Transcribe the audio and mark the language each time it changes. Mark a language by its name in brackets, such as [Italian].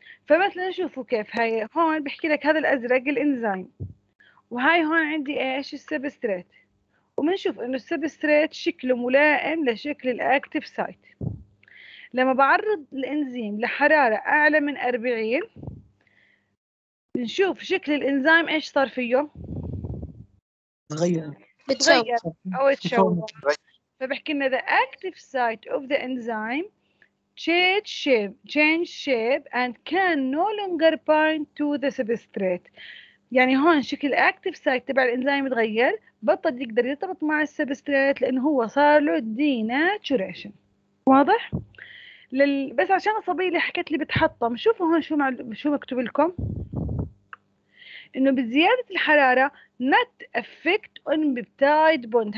[Arabic] فمثلا شوفوا كيف هاي هون بحكي لك هذا الأزرق الإنزيم، وهاي هون عندي إيش؟ السبستريت. وبنشوف إنه السبستريت شكله ملائم لشكل الأكتيف سايت. لما بعرض الإنزيم لحرارة أعلى من 40 نشوف شكل الإنزيم إيش صار فيه؟ تغير أو تشوه. فبحكي لنا [English] the active site of the enzyme changed shape and can no longer bind to the substrate. [Arabic] يعني هون شكل active site تبع الإنزيم تغير، بطل يقدر يرتبط مع السبستريت لأنه هو صار له denaturation. واضح؟ بس عشان الصبية اللي حكت لي بتحطم، شوفوا هون شو مكتوب لكم، انه بزيادة الحرارة [English] not effect on peptide bond.